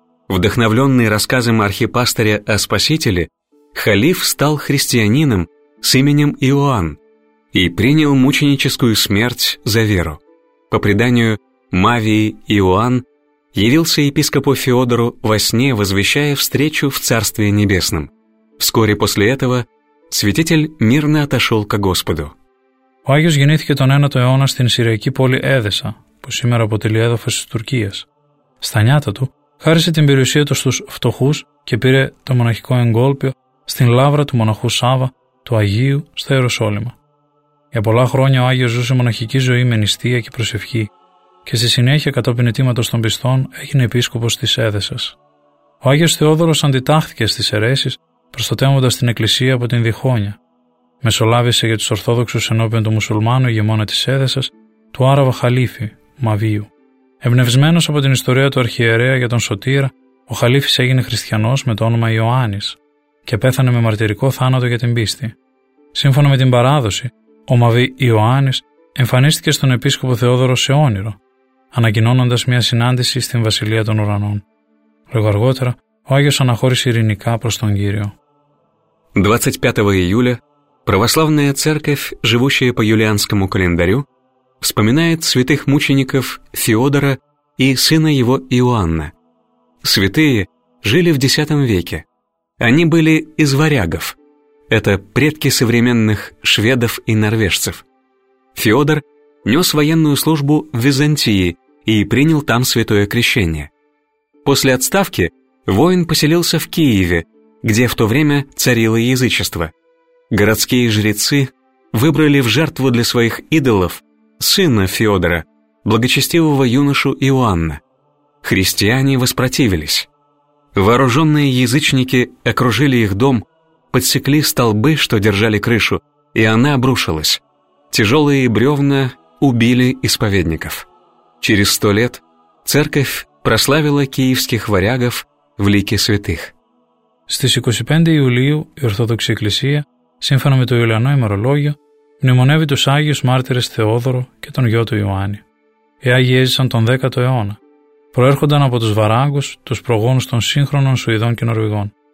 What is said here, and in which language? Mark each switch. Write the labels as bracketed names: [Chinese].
[Russian] Вдохновленный рассказом архипастыря о Спасителе, халиф стал христианином с именем Иоанн и принял мученическую смерть за веру. По преданию, Мавий Иоанн явился епископу Феодору во сне, возвещая встречу в Царстве Небесном. Вскоре после этого святитель мирно отошел ко Господу. [Greek] Ο Άγιος γεννήθηκε τον 9ο αιώνα στην Συριακή πόλη Έδεσσα, που σήμερα αποτελεί έδαφος της Τουρκίας. Στα νιάτα του, χάρισε την περιουσία του στους φτωχούς και πήρε το μοναχικό εγκόλπιο στην λάβρα του μοναχού Σάβα, του Αγίου, στο Ιεροσόλυμα. Για πολλά χρόνια ο Άγιος ζούσε μοναχική ζωή με νηστεία και προσευχή και στη συνέχεια κατόπιν αιτήματος των πιστών έγινε επίσκοπος της Έδεσσας. Ο Άγιος Θεόδωρος αντιτάχθηκε στις αιρέσεις, προστατεύοντας την εκκλησία από την διχόνοια. Μεσολάβησε για τους Ορθόδοξους ενώπιον του Μουσουλμάνου ηγεμόνα της Έδεσσας, του Άραβα Χαλίφη, Μαβίου. Εμπνευσμένος από την ιστορία του αρχιερέα για τον Σωτήρα, ο Χαλίφης έγινε χριστιανός με το όνομα Ιωάννης και πέθανε με μαρτυρικό θάνατο για την πίστη. Σύμφωνα με την παράδοση, ο Μαβί Ιωάννης εμφανίστηκε στον επίσκοπο Θεόδωρο σε όνειρο, ανακοινώνοντας μια συνάντηση στην Βασιλεία των Ουρανών. Λίγο αργότερα, ο Άγιος αναχώρησε ειρηνικά προς τον Κύριο. 25 Ιουλίου, [Russian] православная церковь, живущая по юлианскому календарю, вспоминает святых мучеников Феодора и сына его Иоанна. Святые жили в X веке. Они были из варягов. Это предки современных шведов и норвежцев. Феодор нес военную службу в Византии и принял там святое крещение. После отставки воин поселился в Киеве, где в то время царило язычество. Городские жрецы выбрали в жертву для своих идолов сына Феодора, благочестивого юношу Иоанна. Христиане воспротивились. Вооруженные язычники окружили их дом, подсекли столбы, что держали крышу, и она обрушилась. Тяжелые бревна убили исповедников. Через 100 лет церковь прославила киевских варягов в лике святых. [Greek] Στις 25 Ιουλίου η Ορθόδοξη Εκκλησία, σύμφωνα με το Ιουλιανό ημερολόγιο, μνημονεύει τους Άγιους Μάρτυρες Θεόδωρο και τον γιο του Ιωάννη. Οι Άγιοι έζησαν τον 10ο αιώνα. Προέρχονταν από τους Βαράγκους, τους προγόνους των σύγχρονων Σουηδών και Νορβηγών.